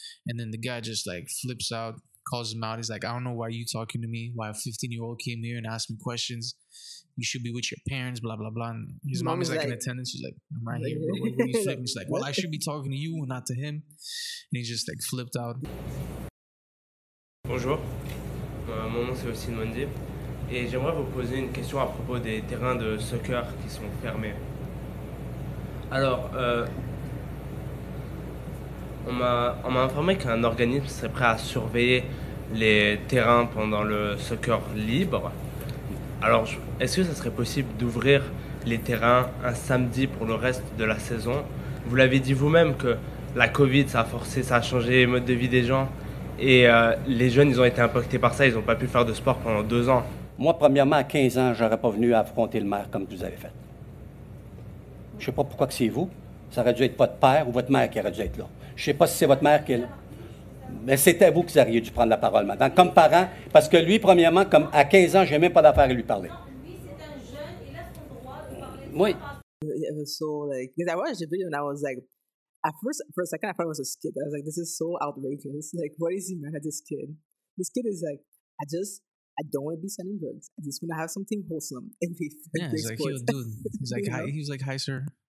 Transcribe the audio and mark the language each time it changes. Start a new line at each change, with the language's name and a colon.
English: And then the guy just like flips out, calls him out. He's like, I don't know why you're talking to me, why a 15-year-old came here and asked me questions. You should be with your parents, blah, blah, blah. And his mom is like in attendance. She's like, I'm right here. Bro. You flip? He's like, well, I should be talking to you and not to him. And he just like flipped out.
French: Bonjour. Mon nom c'est Austin Mondi et j'aimerais vous poser une question à propos des terrains de soccer qui sont fermés. Alors, on m'a informé qu'un organisme serait prêt à surveiller les terrains pendant le soccer libre. Alors, est-ce que ça serait possible d'ouvrir les terrains un samedi pour le reste de la saison? Vous l'avez dit vous-même que la Covid, ça a changé les modes de vie des gens. Et les jeunes, ils ont été impactés par ça, ils n'ont pas pu faire de sport pendant 2 ans. Moi, premièrement, à 15 ans, je n'aurais pas venu affronter le maire comme vous avez fait. Je ne sais pas pourquoi que c'est vous. Ça aurait dû être votre père ou votre mère qui aurait dû être là. Je ne sais pas si c'est votre mère qui est là. Mais c'était vous qui auriez dû prendre la parole maintenant, comme parent. Parce que lui, premièrement, comme à 15 ans, je n'ai même pas d'affaire à lui parler. Non, lui, c'est un jeune, il a son droit de parler. Oui.
English: Yeah, so, like, because I watched the video and I was like, at first, for a second, I thought it was a skit. I was like, this is so outrageous. Like, what is he mad at this kid? This kid is like, I don't want to be selling drugs. I just want to have something wholesome. And he, like, yeah, he's like, sports. Yo, dude. He's like, hi. He's like, hi, sir.